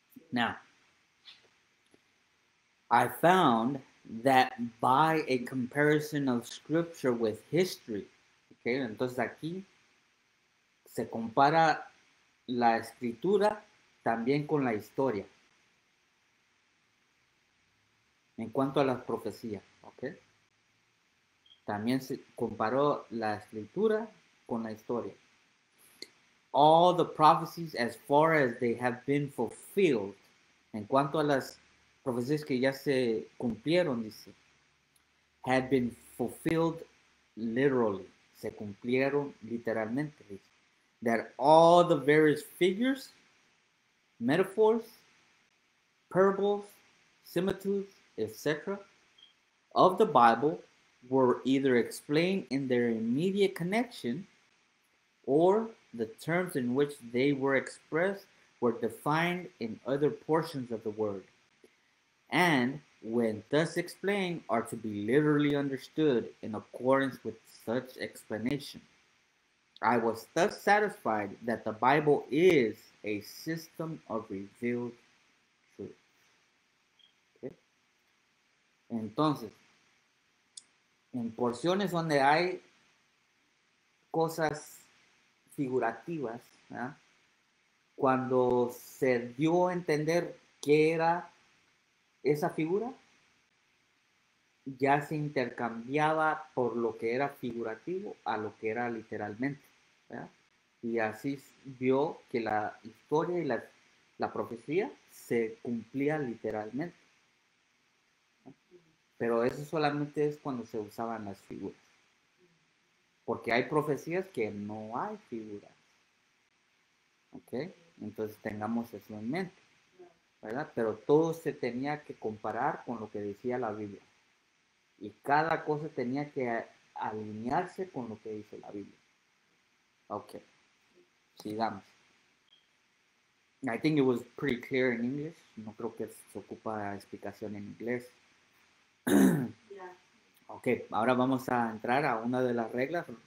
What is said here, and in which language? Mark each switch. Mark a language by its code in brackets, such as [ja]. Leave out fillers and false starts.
[en] Now, I found that by a comparison of scripture with history, okay, [es] entonces aquí se compara la escritura también con la historia. En cuanto a las profecías, okay, también se comparó la escritura con la historia. [en] All the prophecies as far as they have been fulfilled, [es] en cuanto a las profecías que ya se cumplieron, [en] dice, had been fulfilled literally. [es] Se cumplieron literalmente. Dice, [en] that all the various figures, metaphors, parables, similitudes, etc. of the Bible were either explained in their immediate connection, or the terms in which they were expressed were defined in other portions of the word. And when thus explained, are to be literally understood in accordance with such explanation. I was thus satisfied that the Bible is a system of revealed truth. Okay. [es] Entonces, en porciones donde hay cosas figurativas, ¿verdad? Cuando se dio a entender qué era esa figura, ya se intercambiaba por lo que era figurativo a lo que era literalmente, ¿verdad? Y así vio que la historia y la profecía se cumplía literalmente, ¿verdad? Pero eso solamente es cuando se usaban las figuras, porque hay profecías que no hay figuras, ¿ok? Entonces tengamos eso en mente, ¿verdad? Pero todo se tenía que comparar con lo que decía la Biblia. Y cada cosa tenía que alinearse con lo que dice la Biblia. Ok. Sigamos. [en] I think it was pretty clear in English. [es] No creo que se ocupa explicación en inglés. Yeah. Ok. Ahora vamos a entrar a una de las reglas.